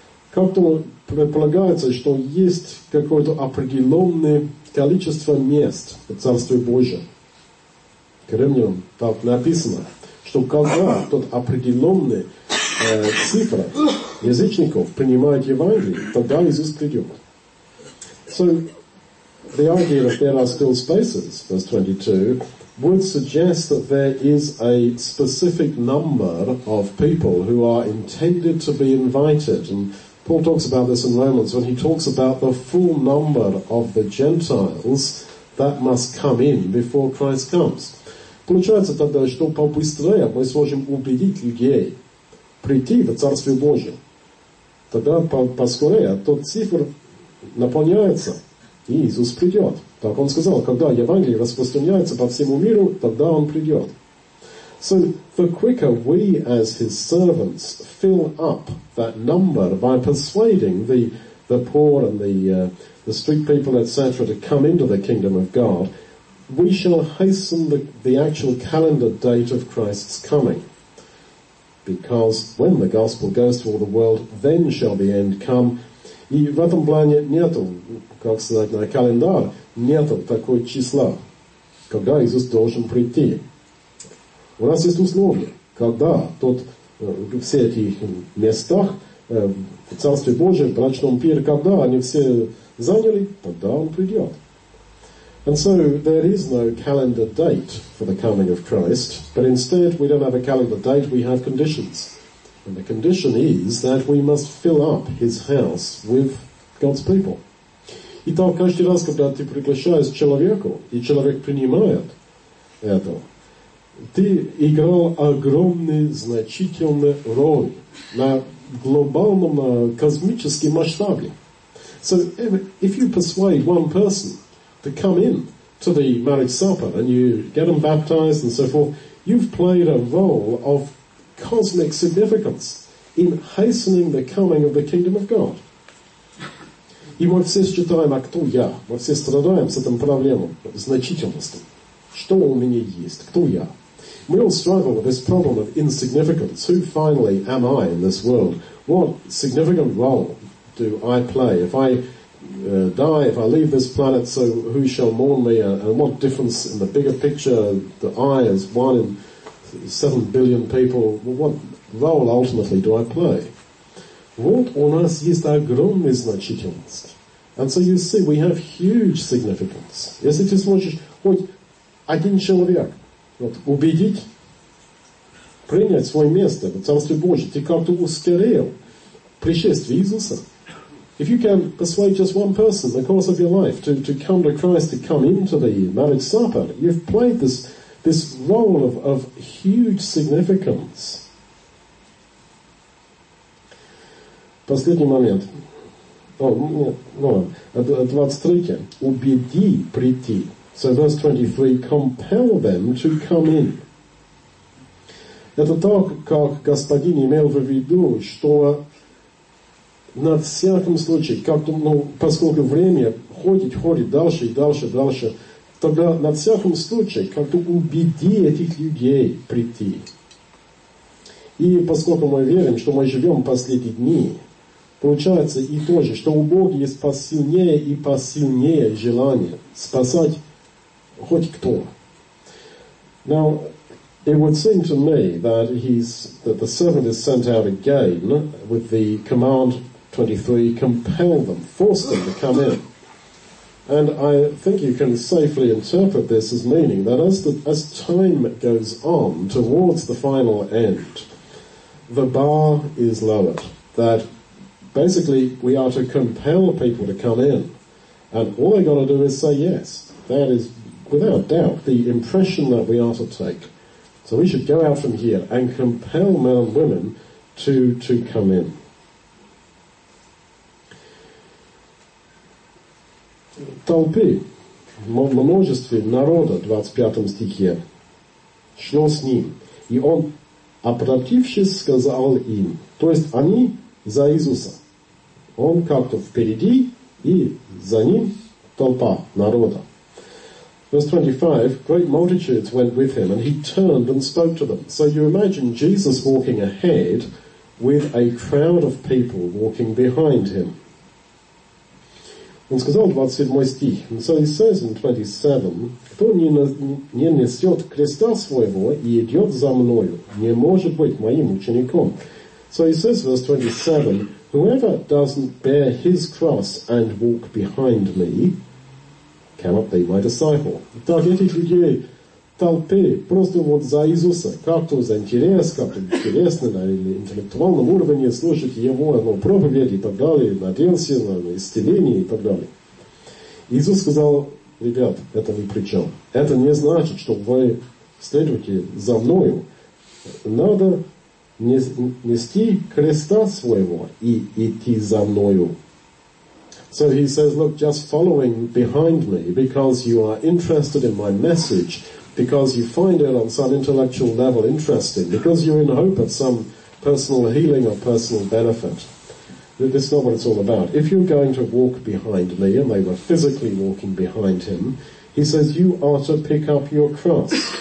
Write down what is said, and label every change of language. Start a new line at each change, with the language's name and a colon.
Russian: Как-то предполагается, что есть какое-то определенное количество мест в Царстве Божьем. К Римлянам так написано, что когда тот определенный цифра язычников принимает Евангелие, тогда Иисус придет.
English: So, the idea that there are still spaces, verse 22, would suggest that there is a specific number of people who are intended to be invited. And Paul talks about this in Romans when he talks about the full number of the Gentiles that must come in before Christ comes.
Russian: Получается тогда, что побыстрее мы сможем убедить людей прийти в Царствие Божие. Тогда поскорее тот цифр наполняется. И Иисус придет. Так он сказал, когда Евангелие распространяется по всему миру, тогда он придет.
English: So, the quicker we as his servants fill up that number by persuading the poor and the street people, etc. to come into the kingdom of God, we shall hasten the actual calendar date of Christ's coming. Because when the gospel goes to all the world, then shall the end come.
Russian: И в этом плане нету, как сказать, на календарь, нету такого числа, когда Иисус должен прийти. У нас есть условие, когда тот, все эти места в Царстве Божьем, в брачном пире, когда они все заняли, тогда он придет.
English: And so there is no calendar date for the coming of Christ, but instead we don't have a calendar date, we have conditions. And the condition is that we must fill up his house with God's people.
Russian: Итак, каждый раз, когда ты приглашаешь человеку, и человек принимает это, ты играл огромную, значительную роль на глобальном, космическом масштабе.
English: So, if you persuade one person to come in to the marriage supper, and you get them baptized and so forth, you've played a role of cosmic significance in hastening the coming of the kingdom of God.
Russian: И мы все считаем, а кто я? Мы все страдаем с этим проблемом, значительностью. Что у меня есть? Кто я?
English: We all struggle with this problem of insignificance. Who finally am I in this world? What significant role do I play? If I die, if I leave this planet, so who shall mourn me? And what difference in the bigger picture that I as one in 7 billion people, what role ultimately do I play?
Russian: Вот у нас есть огромная значительность.
English: And so you see, we have huge significance.
Russian: Если ты сможешь хоть один человек вот, убедить, принять свое место в Царстве Божьем, ты как-то ускорил пришествие Иисуса.
English: If you can persuade just one person in the course of your life to come to Christ, to come into the marriage supper, you've played this role of huge significance.
Russian: Последний момент. Двадцать третье. Убеди прийти.
English: So verse 23. Compel them to come in.
Russian: Это так, как Господин имел в виду, что на всяком случае, как-то, ну, поскольку время ходит дальше и дальше, тогда на всяком случае как-то убеди этих людей прийти. И поскольку мы верим, что мы живем последние дни, получается и то же, что у Бога есть посильнее и посильнее желание спасать хоть кто.
English: Now, it would seem to me that the servant is sent out again with the command 23, compel them, force them to come in. And I think you can safely interpret this as meaning that as time goes on towards the final end, the bar is lowered. That basically we are to compel people to come in. And all they got to do is say yes. That is, without doubt, the impression that we are to take. So we should go out from here and compel men and women to come in.
Russian: Толпы, множестве народа, 25 стихе, шло с ним, и он, обратившись, сказал им, то есть они за Иисуса. Он как-то впереди, и за ним толпа народа.
English: Verse 25, great multitudes went with him, and he turned and spoke to them. So you imagine Jesus walking ahead with a crowd of people walking behind him.
Russian: Он сказал 27 стих.
English: So he says in 27,
Russian: кто не несет креста своего и идет за мною, не может быть моим учеником.
English: So he says, verse 27, whoever doesn't bear his cross and walk behind me cannot be my disciple.
Russian: Так эти люди толпы просто вот за Иисуса, как-то за интерес, как-то интересно на интеллектуальном уровне слушать его, ну, проповеди и так далее, надеялся на исцеление и так далее. Иисус сказал, ребят, это ни при чем. Это не значит, что вы следуете за мною. Надо нести креста своего и идти за мною.
English: So he says, look, just following behind me because you are interested in my message, because you find it on some intellectual level interesting, because you're in hope of some personal healing or personal benefit. This is not what it's all about. If you're going to walk behind me, and they were physically walking behind him, he says, you are to pick up your cross.